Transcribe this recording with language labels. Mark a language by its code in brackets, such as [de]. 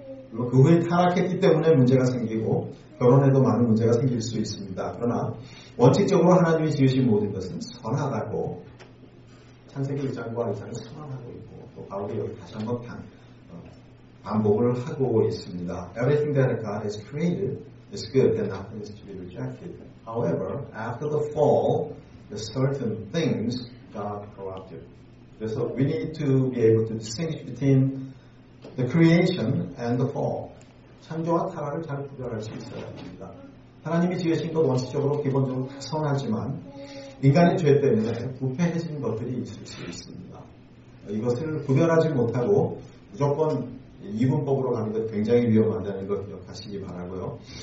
[ko] 물론 그 후에 타락했기 때문에 문제가 생기고 결혼에도 많은 문제가 생길 수 있습니다. 그러나 원칙적으로 하나님이 지으신 모든 것은 선하다고 창세기 1장과 2장을 선언하고 있고 또 바울이 여기 다시 한번 반복을 하고 있습니다. [en] Everything that God has created is good and nothing is to be rejected. However, after the fall, the certain things God corrupted. [ko] 그래서 [en] we need to be able to distinguish between the creation and the fall. [ko] 창조와 타락을 잘 구별할 수 있어야 합니다. 하나님이 지으신 것 원시적으로 기본적으로 선하지만 인간의 죄 때문에 부패해진 것들이 있을 수 있습니다. 이것을 구별하지 못하고 무조건 이분법으로 가는 것 굉장히 위험하다는 것 기억하시기 바라고요.